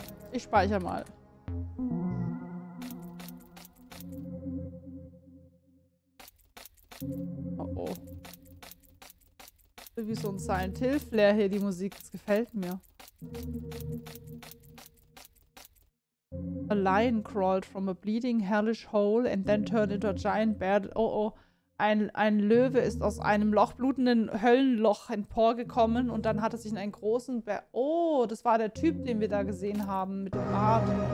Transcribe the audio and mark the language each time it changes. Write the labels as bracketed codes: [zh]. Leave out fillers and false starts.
[de] Ich speichere mal. Oh oh. Wie so ein Silent Hill Flair hier, die Musik. Das gefällt mir. [en] A lion crawled from a bleeding hellish hole and then turned into a giant bear. Oh oh. [de] Ein Löwe ist aus einem Loch, blutenden Höllenloch emporgekommen und dann hat er sich in einen großen Bär. Oh, das war der Typ, den wir da gesehen haben mit dem Bart.